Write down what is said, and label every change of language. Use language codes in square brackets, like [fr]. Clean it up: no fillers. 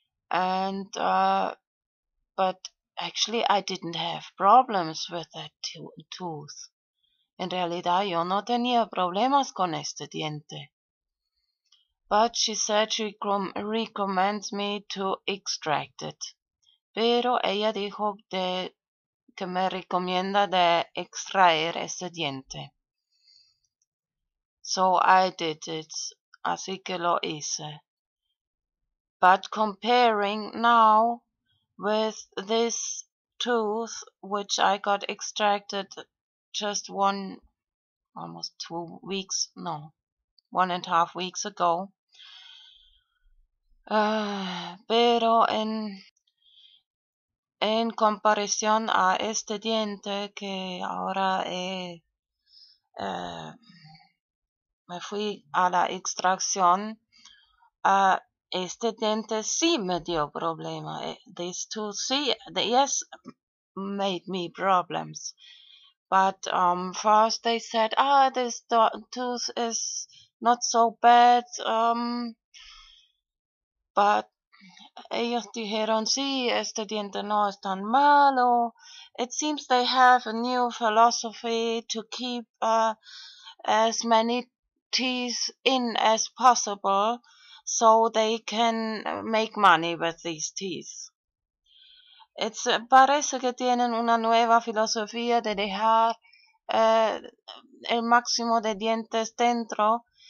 [en] And, but actually I didn't have problems with that tooth. [es] En realidad yo no tenía problemas con este diente. [en] But she said she recommends me to extract it. [es] Pero ella dijo que me recomienda de extraer ese diente. [en] So I did it. [es] Así que lo hice. [en] But comparing now with this tooth, which I got extracted just almost 2 weeks, no, 1.5 weeks ago. [es] Pero en comparación a este diente que ahora me fui a la extracción, este diente sí me dio problema. [en] These two sí, yes, made me problems. But first they said, this tooth is not so bad. [es] But ellos dijeron, sí, este diente no es tan malo. [en] It seems they have a new philosophy to keep as many teeth in as possible, so they can make money with these teeth. [es] Parece que tienen una nueva filosofía de dejar el máximo de dientes dentro.